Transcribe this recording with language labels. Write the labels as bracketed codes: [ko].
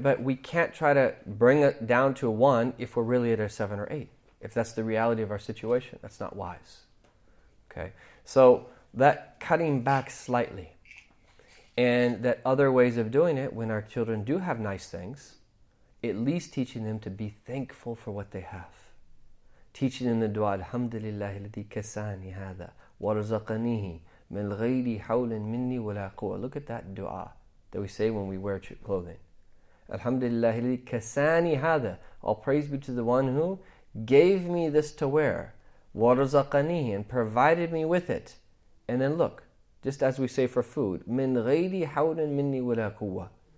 [en] But we can't try to bring it down to a 1 if we're really at a 7 or 8. If that's the reality of our situation, that's not wise, okay? So that cutting back slightly, and that other ways of doing it, when our children do have nice things, at least teaching them to be thankful for what they have. Teaching them the dua, [ar] Alhamdulillah, الذي كساني هذا ورزقنيه. [en] Look at that dua that we say when we wear clothing. [ar] Alhamdulillah, kasani hada. [en] All praise be to the one who gave me this to wear. [ar] Warzaqani, [en] and provided me with it. And then look, just as we say for food, [ar] min ghayri hawlin minni wala quwwa.